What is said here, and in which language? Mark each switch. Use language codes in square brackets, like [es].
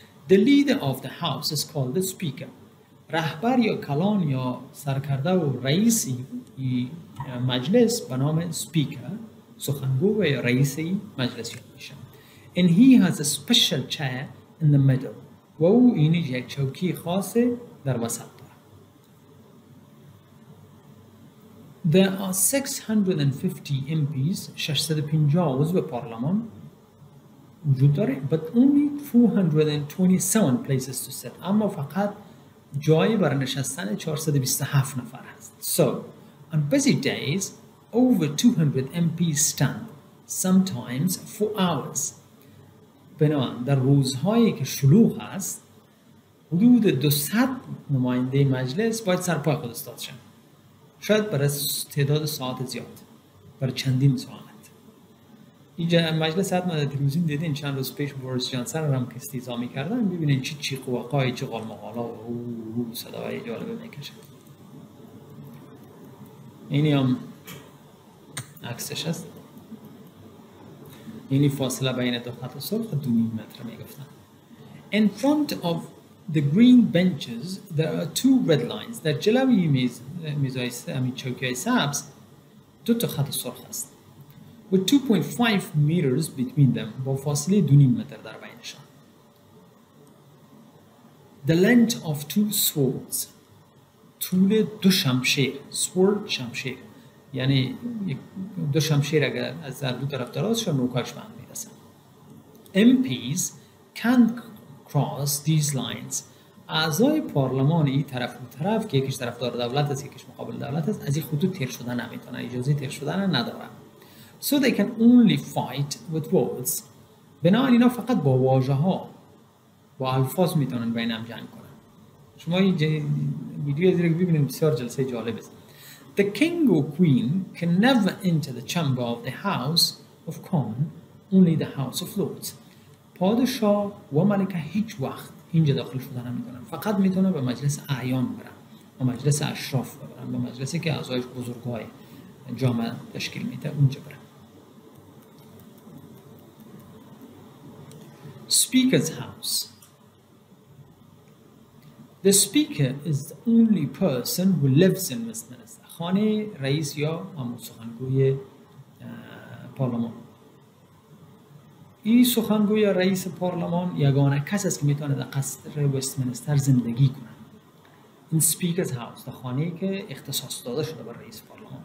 [en] The leader of the house is called the speaker. [fa] رهبر یا کلان یا سرکرده و رئیس مجلس به نام speaker، سخنگو یا رئیس مجلس یاد میشن. [en] And he has a special chair in the middle. [fa] و او اینی یک چوکی خاص در وسط. [en] There are 650 MPs, [fa] 650 عضو پارلمان وجود داره، [en] but only 427 places to sit. [fa] اما فقط جای برای نشستن 427 نفر هست. [en] So, on busy days, over 200 MPs stand, sometimes for hours. [fa] بنابراین در روزهایی که شلوغ هست، حدود 200 نماینده مجلس باید سرپای خود استاد شن. شاید برای تعداد ساعت زیاد، برای چندین ساعت. اینجا مجلس حتما در تلویزیون دیدین، چند روز پیش بوریس جانسن رو هم که استیزا میکردن، ببینین چی قواقای چی قلمقالا و صداهای جالبه میکشن. اینی هم عکسش هست، اینی فاصله بین دو خط سرخ 2 متر میگفتن. [en] In front of the green benches, there are two red lines. [fa] در جلوی چوکی‌های سبز دو تا خط سرخ است. [en] With 2.5 meters between them, [fa] با فاصله 2.5 متر در بینشان. [en] The length of two swords. [fa] طول دو شمشیر. [en] Sword, شمشیر. [fa] یعنی دو شمشیر اگر از دو طرف دراز شد، نوکاش بند میرسن. [en] MPs can't cross these lines. [fa] اعضای پارلمان این طرف و طرف که یکیش طرفدار دولت است یکیش مقابل دولت است، از این خطوط تیر شدن نمیتونن، اجازه تیر شدن ندارن. [en] So they can only fight with words. [fa] بنابراین اینا فقط با واژه ها، با الفاظ میتونن بین هم جنگ کنن. شما این ویدیو زیر ببینید، بسیار جلسه جالب است. [en] The king or queen can never enter the chamber of the house of commons, only the house of lords. [fa] پادشاه و ملکه هیچ وقت اینجا داخل شدن نمیتونن، فقط میتونن به مجلس اعیان برن، به مجلس اشراف برن، به مجلسی که اعضایش بزرگای جامعه تشکیل میده اونجا برن. [en] Speaker's house. The speaker is the only person who lives in Westminster. [fa] خانه رئیس یا سخنگوی پارلمان. این سخنگوی یا رئیس پارلمان یگانه کس است که میتونه در قصر وستمنستر زندگی کنه. این سپیکرز هاوس، در خانه‌ای که اختصاص داده شده به رئیس پارلمان.